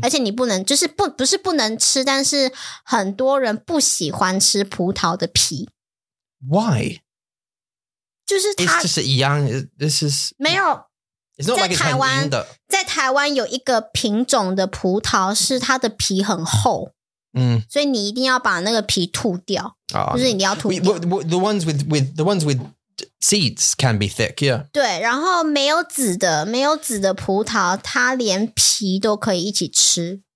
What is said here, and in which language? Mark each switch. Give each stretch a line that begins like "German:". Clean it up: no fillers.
Chinese: 而且你不能，就是不是不能吃，但是很多人不喜欢吃葡萄的皮。
English: Why?
Chinese: 就是它
English: It's just 一样 This is
Chinese: 没有
English: It's not like it's
Chinese: 很硬的在台湾有一个品种的葡萄是它的皮很厚所以你一定要把那个皮吐掉、就是你要吐掉
English: The ones with seeds can be thick yeah
Chinese: 对然后没有籽的葡萄它连皮都可以一起吃